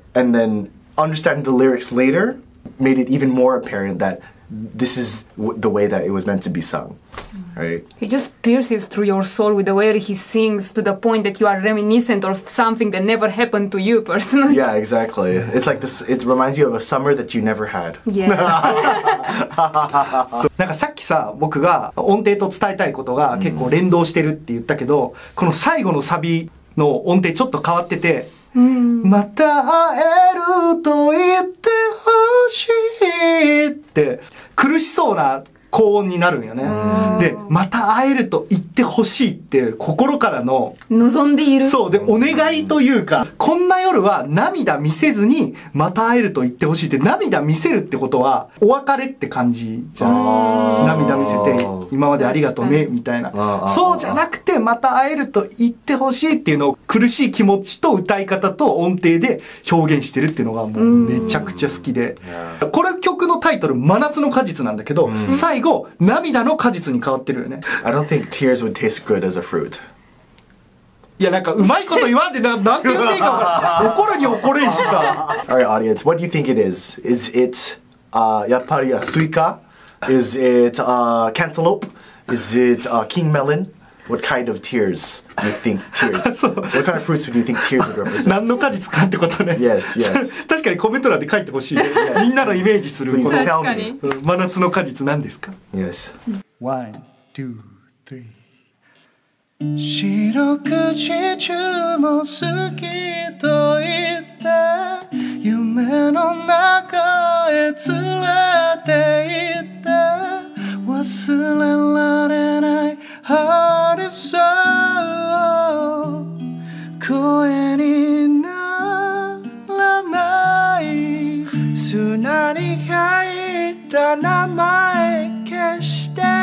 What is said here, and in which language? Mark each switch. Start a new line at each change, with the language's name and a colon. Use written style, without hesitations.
English: And then understanding the lyrics later made it even more apparent thatThis is the way that it was meant to be sung, right? He just pierces through your soul with the way he sings to the point that you are reminiscent of something that never happened to you personally. Yeah, exactly. It's like this, it reminds you of a summer that you never had. Yeah.
Japanese: なんかさっきさ、僕が音程と伝えたいことが結構連動してるって言ったけど、この最後のサビの音程ちょっと変わってて、また会えると言ってほしいって苦しそうな高音になるんよね。で、また会えると言ってほしいって心からの望んでいる。そうで、お願いというか、こんな夜は涙見せずにまた会えると言ってほしいって、涙見せるってことはお別れって感じじゃん。涙見せて今までありがとうねみたいな。そうじゃなくて、また会えると言ってほしいっていうのを苦しい気持ちと歌い方と音程で表現してるっていうのがもうめちゃくちゃ好きで、これ曲タイトル真夏の果実なんだけど、うん、最後涙の果実に変わってるよね。
English: I don't think tears would taste good as a fruit。
Japanese: いやなんかうまいこと言わんで なんて言っていいか怒るに怒れんしさ。
English: Alright audience, what do you think it is? Is it、やっぱりスイカ? Is it、cantaloupe? Is it、king melon? What kind of tears do you think tears? What kind of fruits do you think tears would represent?
Japanese: 何の果実かってことね。
English: Yes, yes.
Japanese: 確かにコメント欄で書いてほしい。みんなのイメージする。確かに。真夏の果実何ですか?
English: Yes. One, two, three.
Japanese: 白くちちゅうも好きと言って夢の中へ連れて行って忘れられない春さを声にならない砂に入った名前消して